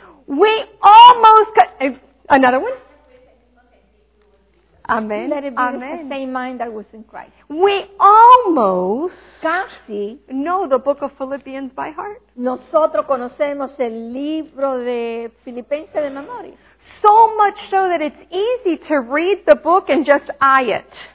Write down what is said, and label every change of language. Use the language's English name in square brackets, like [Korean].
[English] We almost got, another one? Amen. Let it be amen. The same mind that was in Christ. We almost [Spanish] casi [English] know the book of Philippians by heart. [Spanish] Nosotros conocemos el libro de Filipenses de memoria. [English] So much so that it's easy to read the book and just eye it.